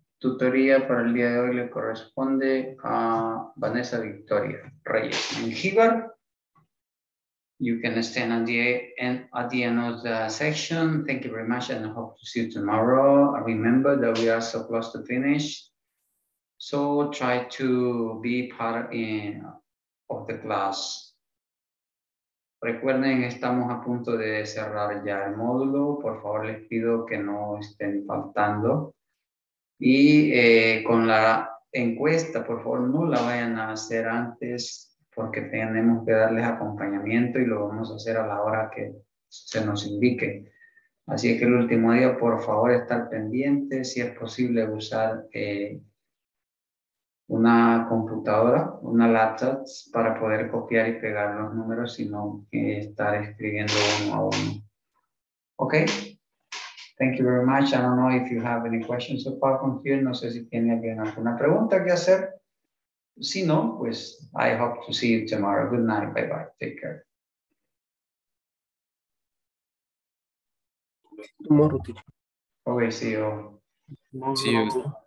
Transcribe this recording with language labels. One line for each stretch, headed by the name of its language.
Spanish: tutoría para el día de hoy le corresponde a Vanessa Victoria Reyes.
English: Mengíbar, you can stand at the end of the session. Thank you very much and I hope to see you tomorrow. Remember that we are so close to finish. So try to be part of the class.
Spanish: Recuerden, estamos a punto de cerrar ya el módulo. Por favor, les pido que no estén faltando. Y con la encuesta, por favor, no la vayan a hacer antes porque tenemos que darles acompañamiento y lo vamos a hacer a la hora que se nos indique. Así que el último día, por favor, estar pendiente. Si es posible, usar una computadora, una laptop, para poder copiar y pegar los números, sino estar escribiendo uno a uno. Ok.
English: Thank you very much. I don't know if you have any questions apart from here.
Spanish: No sé si tiene alguien alguna pregunta que hacer. Si no, pues
English: I hope to see you tomorrow. Good night. Bye bye. Take care. Tomorrow, teacher. Okay, see you. See you.